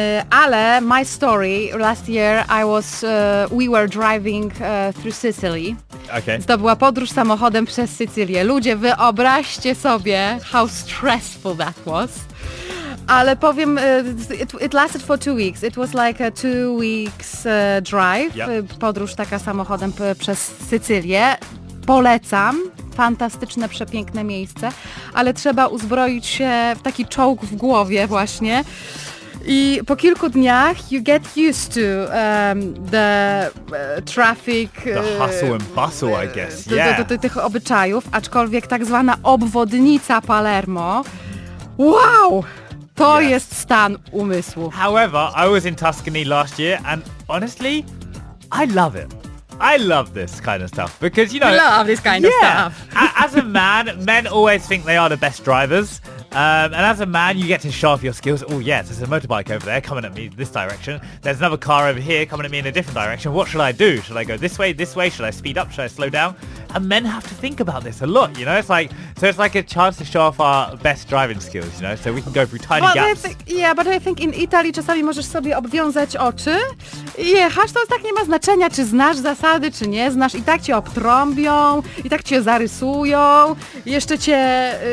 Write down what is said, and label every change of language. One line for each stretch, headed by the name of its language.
Polish: Ale
English: my story, last year we were driving through Sicily. Okay.
Polish: To była podróż samochodem przez Sycylię. Ludzie, wyobraźcie sobie,
English: how stressful that was.
Polish: Ale powiem,
English: it lasted for 2 weeks. It was like a 2 weeks drive. Yep.
Polish: Podróż taka samochodem przez Sycylię. Polecam. Fantastyczne, przepiękne miejsce. Ale trzeba uzbroić się w taki czołg w głowie właśnie. I po kilku dniach
English: you get used to the traffic. The hustle and bustle, I guess. Yeah.
Polish: Do tych obyczajów, aczkolwiek tak zwana obwodnica Palermo. Wow! To yes. Jest stan umysłu.
English: However, I was in Tuscany last year and honestly, I love it. I love this kind of stuff because, you know... I love this kind of stuff. As a man, men always think they are the best drivers. And as a man, you get to show off your skills. Oh, yes, there's a motorbike over there coming at me this direction. There's another car over here coming at me in a different direction. What should I do? Should I go this way, this way? Should I speed up? Should I slow down? And men have to think about this a lot, you know? It's like a chance to show off our best driving skills, you know? So we can go through tiny gaps. But I think in Italy
Polish: czasami możesz sobie obwiązać oczy i jechać. To tak nie ma znaczenia, czy znasz zasady, czy nie znasz. I tak cię obtrąbią, i tak cię zarysują, jeszcze cię...